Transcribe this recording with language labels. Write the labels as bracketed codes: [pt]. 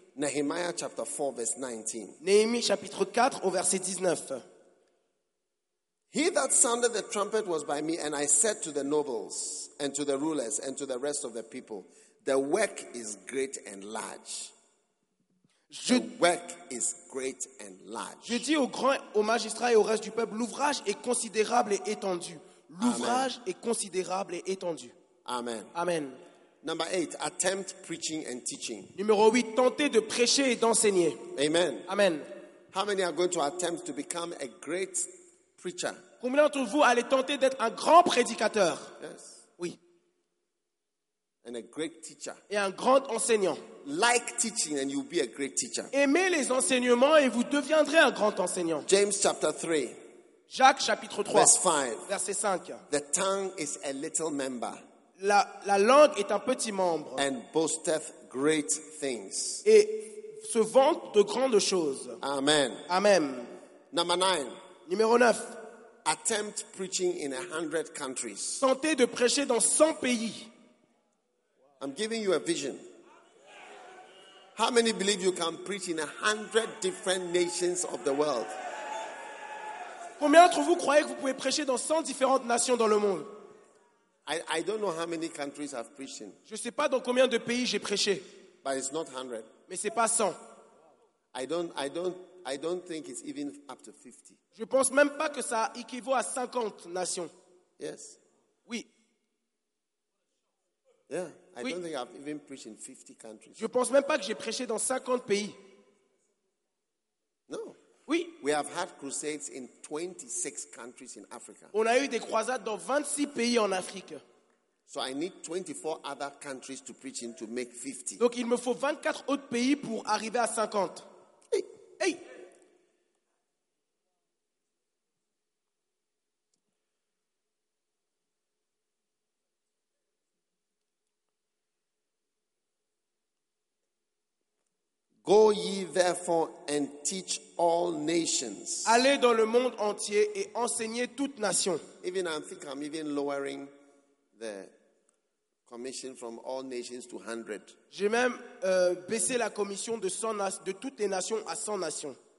[en] Nehemiah chapter 4 verse 19. [fr] Néhémie chapitre 4 au verset 19. [en] He that sounded the trumpet was by me, and I said to the nobles and to the rulers and to the rest of the people, the work is great and large. The work is great and large. [fr] Je dis aux grands, aux magistrats et au reste du peuple, l'ouvrage est considérable et étendu. L'ouvrage Amen. Est considérable et étendu. Amen. Amen. [en] Number 8, attempt preaching and teaching. [fr] Numéro 8, tenter de prêcher et d'enseigner. Amen. Amen. [en] How many are going to attempt to become a great preacher? [fr] Combien d'entre vous allez tenter d'être un grand prédicateur? [en] Yes. [fr] Oui. [en] And a great teacher. [fr] Et un grand enseignant. [en] Like teaching and you'll be a great teacher. [fr] Aimez les enseignements et vous deviendrez un grand enseignant. [en] James chapter 3. [fr] Jacques chapitre 3 [en] verse 5. [fr] Verset 5. [en] The tongue is a little member. [fr] La langue est un petit membre. [en] And boasteth great things. [fr] Et se vante de grandes choses. Amen. Amen. [en] Number 9. [fr] Numéro 9. [en] Attempt preaching in 100 countries. [fr] Tentez de prêcher dans 100 pays. [en] I'm giving you a vision. How many believe you can preach in 100 different nations of the world? [fr] Combien d'entre vous croyez que vous pouvez prêcher dans 100 différentes nations dans le monde? [en] I don't know how many countries I've preached in. [fr] Je ne sais pas dans combien de pays j'ai prêché. [en] But it's not 100. [fr] Mais ce n'est pas 100. [en] I don't think it's even up to 50. [fr] Je ne pense même pas que ça équivaut à 50 nations. [en] Yes. [fr] Oui. [en] Yeah, I oui. don't think I've even preached in 50 countries. [fr] Je ne pense même pas que j'ai prêché dans 50 pays. [en] No. [fr] Oui. [en] We have had crusades in 26 countries in Africa. [fr] On a eu des croisades dans 26 pays en Afrique. [en] So I need 24 other countries to preach in to make 50. [fr] Donc il me faut 24 autres pays pour arriver à 50. Hey. [en] Go ye therefore and teach all nations. [fr] Allez dans le monde entier et enseignez toutes nations. [en] Even I think I'm even lowering the commission from all nations to 100. [fr] J'ai même baissé la commission de toutes les nations à 100 nations.